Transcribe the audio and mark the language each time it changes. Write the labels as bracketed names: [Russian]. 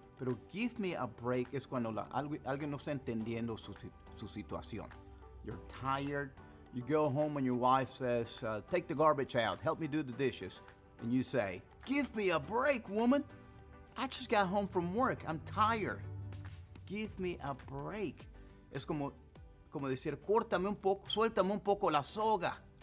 [Spanish] Pero [English] give me a break [Spanish] es cuando alguien no está entendiendo su situación. [English] You're tired. You go home and your wife says, take the garbage out. Help me do the dishes. And you say, give me a break, woman. I just got home from work. I'm tired. Give me a break. [Spanish] Es como decir, córtame un poco, suéltame un poco la soga.